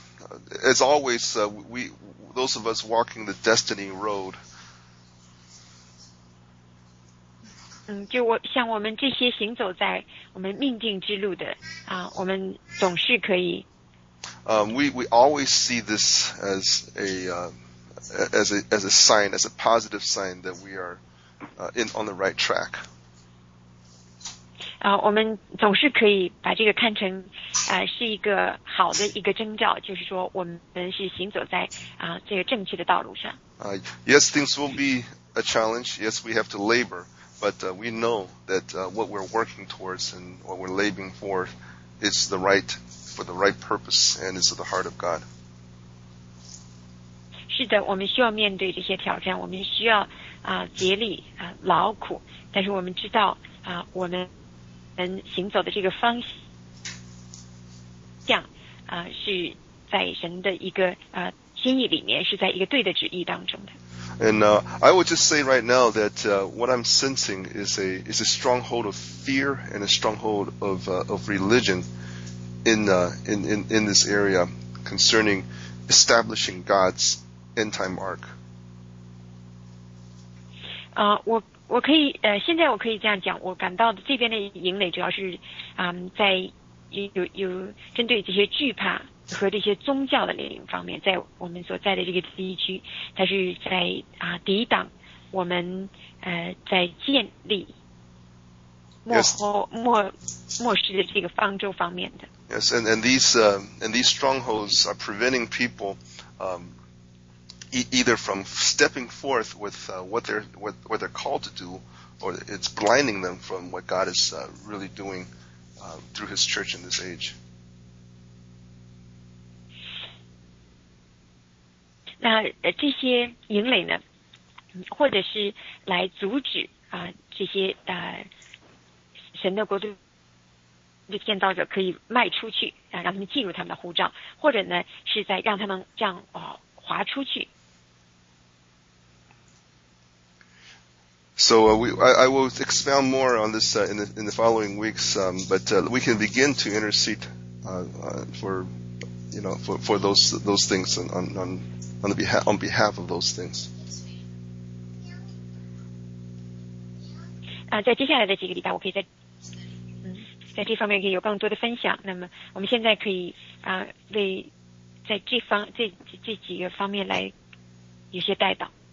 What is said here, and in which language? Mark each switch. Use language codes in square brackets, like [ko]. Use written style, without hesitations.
[en] And so, as always, we, those of us walking the destiny road. [zh] 就我像我们这些行走在我们命定之路的我们总是可以。 [en] We always see this as a sign, as a positive sign that we are on the right track. [zh] 我们总是可以把这个看成是一个好的一个征兆，就是说我们是行走在这个正确的道路上。 [en] Yes, things will be a challenge. Yes, we have to labor, but we know that what we're working towards and what we're laboring for is the right, for the right purpose and is at the heart of God. [zh] 是的，我们需要面对这些挑战，我们需要竭力劳苦，但是我们知道我们行走的这个方向是在神的一个心意里面，是在一个对的旨意当中的。 [en] And I would just say right now that what I'm sensing is a stronghold of fear and a stronghold of religion in this area concerning establishing God's end time arc. [zh] 我可以现在我可以这样讲，我感到的这边的营垒主要是在有针对这些惧怕和这些宗教的领域方面，在我们所在的这个地区，它是在抵挡我们在建立末世的这个方舟方面的。 [en] Yes, and these strongholds are preventing people either from stepping forth with what they're called to do, or it's blinding them from what God is really doing through His church in this age. [zh] 那这些营垒呢，或者是来阻止这些神的国度的建造者可以迈出去让他们进入他们的护照，或者呢是在让他们这样滑出去。 [en] So I will expound more on this in the following weeks, but we can begin to intercede for those things on on behalf of those things. [zh] 在接下来的几个礼拜，我可以在在这方面可以有更多的分享。那么我们现在可以为在这几个方面来有些带导。